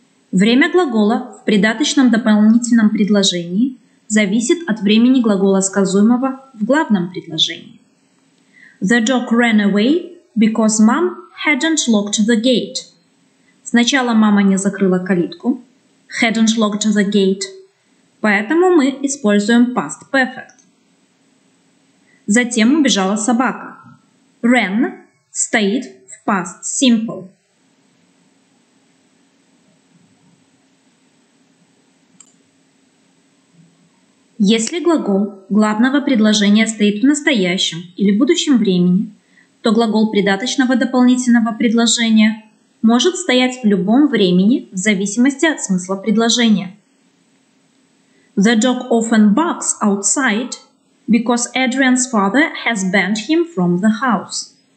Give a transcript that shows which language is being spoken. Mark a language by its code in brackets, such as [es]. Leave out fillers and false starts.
[ru] Время глагола в придаточном дополнительном предложении зависит от времени глагола сказуемого в главном предложении. [en] The dog ran away because mom hadn't locked the gate. [ru] Сначала мама не закрыла калитку, [en] hadn't locked the gate, [ru] поэтому мы используем past perfect. Затем убежала собака. Ran стоит в past simple. Если глагол главного предложения стоит в настоящем или будущем времени, то глагол придаточного дополнительного предложения – может стоять в любом времени в зависимости от смысла предложения. [en] The dog often barks outside because Adrian's father has banned him from the house.